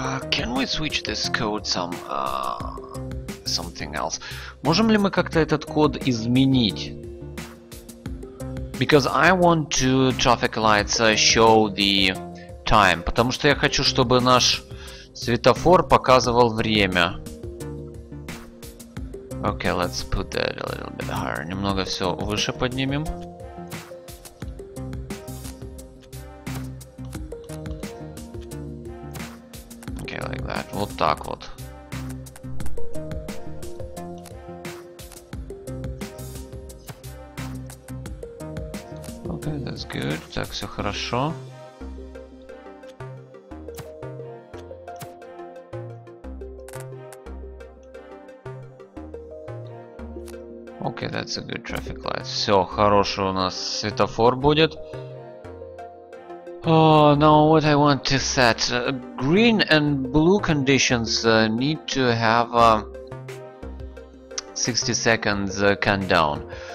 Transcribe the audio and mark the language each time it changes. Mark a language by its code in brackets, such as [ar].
[en] Can we switch this code some something else? [ru] Можем ли мы как-то этот код изменить? [en] Because I want to traffic lights show the time. [ru] Потому что я хочу, чтобы наш светофор показывал время. [en] Okay, let's put that a little bit higher. [ru] Немного все выше поднимем. [en] Okay, like that. [ru] Вот так вот. [en] Okay, that's good. [ru] Так, все хорошо. [en] Okay, that's a good traffic light. [ru] Все, хороший у нас светофор будет. [en] Now what I want to set. Green and blue conditions need to have a 60 seconds countdown.